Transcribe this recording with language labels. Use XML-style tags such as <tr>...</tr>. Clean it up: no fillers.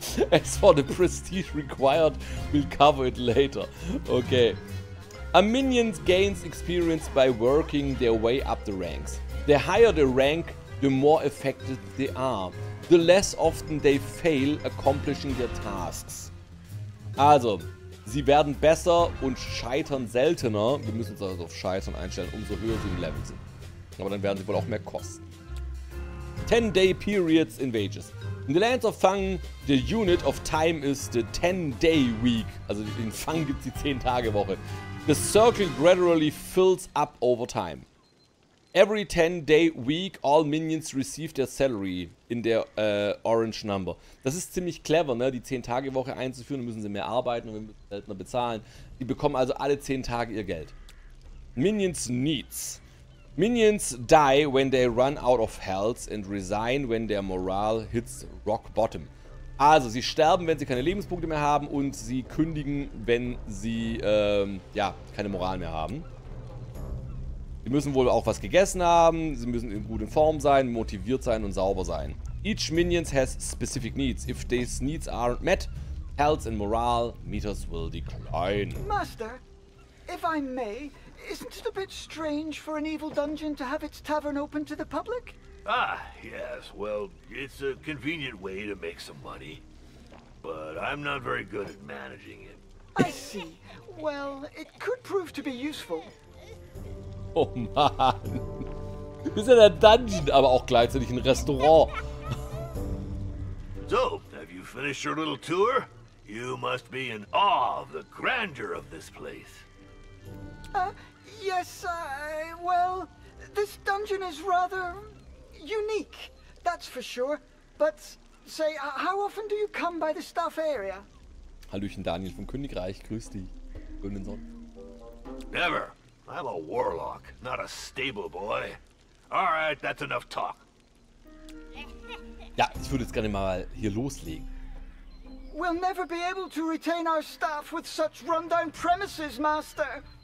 <en>As for the prestige required, we'll cover it later. Okay. A minion gains experience by working their way up the ranks. The higher the rank, the more affected they are. The less often they fail accomplishing their tasks.</en> <de>Also, sie werden besser und scheitern seltener. Wir müssen uns also auf Scheitern einstellen, umso höher sie im Level sind. Aber dann werden sie wohl auch mehr kosten.</de> <en>10-day periods in wages. In the lands of Fang, the unit of time is the 10-day week.</en> <de>Also in Fang gibt es die 10-Tage-Woche.</de> <en>The circle gradually fills up over time. Every 10-day week, all minions receive their salary in</en> <de>der</de> <en>orange number.</en> <de>Das ist ziemlich clever, ne? Die 10-Tage-Woche einzuführen, müssen sie mehr arbeiten und seltener bezahlen. Die bekommen also alle 10 Tage ihr Geld.</de> <en>Minions needs. Minions die when they run out of health and resign when their morale hits rock bottom.</en> <de>Also, sie sterben, wenn sie keine Lebenspunkte mehr haben und sie kündigen, wenn sie keine Moral mehr haben. Sie müssen wohl auch was gegessen haben, sie müssen in guter Form sein, motiviert sein und sauber sein.</de> <en>Each minions has specific needs. If these needs aren't met, health and morale meters will decline. Master, if I may. Isn't it a bit strange for an evil dungeon to have its tavern open to the public? Ah, yes. Well, it's a convenient way to make some money. But I'm not very good at managing it. I see. Well, it could prove to be useful. Oh man.</en> <de>Wir sind ein Dungeon, aber auch gleichzeitig ein Restaurant.</de> <en>So, have you finished your little tour? You must be in awe of the grandeur of this place. Yes, well, this dungeon is rather unique, that's for sure. But say, how often do you come by the staff area?</en> <de>Hallöchen, Daniel vom Königreich, grüß dich. Guten Sonn.</de> <en>Never. I'm a warlock, not a stable boy. All right, that's enough talk.</en> <de>Ja, ich würde jetzt gerne mal hier loslegen.</de> <en>We'll never be able to retain our staff with such rundown premises, Master.</en>